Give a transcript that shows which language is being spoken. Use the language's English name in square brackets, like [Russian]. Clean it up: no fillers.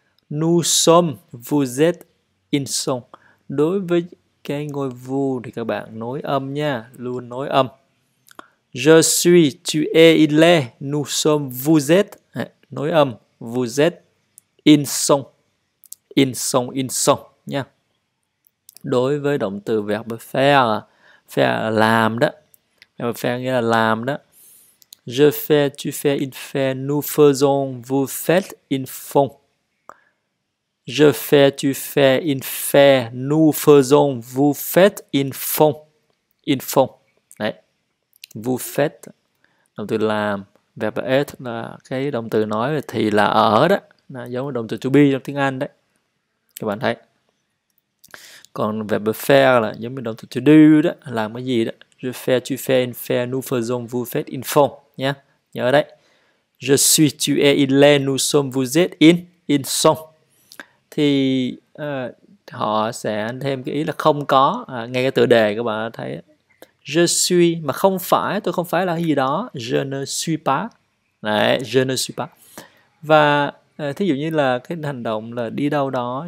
[French] Nous sommes, vous êtes, ils sont. [Vietnamese] Đối với cái ngôi vous thì các bạn nối âm nha, luôn nối âm. [French] Je suis, tu es, il est, nous sommes, vous êtes. [Vietnamese] Nối âm, [French] vous êtes, ils sont. Ils sont, ils sont nha. [Vietnamese] Đối với động từ verb faire, faire là làm đó. Verb faire nghĩa là làm đó. [French] Je fais, tu fais, il fait, nous faisons, vous faites, ils font. Je fais, tu fais, il fait, nous faisons, vous faites, ils font. Ils font. [Vietnamese] Đấy. [French] Vous faites. [Vietnamese] Động từ làm. Verb être là cái động từ nói về thì là ở đó. Là giống động từ to be trong tiếng Anh đấy. Các bạn thấy. Còn verb faire là giống như động từ to do đó. Làm cái gì đó. [French] Je fais, tu fais, il fait, nous faisons, vous faites, ils font. [Vietnamese] Nhá. Nhớ đấy. [French] Je suis, tu es, il est, nous sommes, vous êtes, ils sont. [Vietnamese] Thì họ sẽ thêm cái ý là không có. Ngay cái tựa đề các bạn thấy. [French] Je suis. [Vietnamese] Mà không phải. Tôi không phải là cái gì đó. [French] Je ne suis pas. [Vietnamese] Đấy. [French] Je ne suis pas. [Vietnamese] Và thí dụ như là cái hành động là đi đâu đó.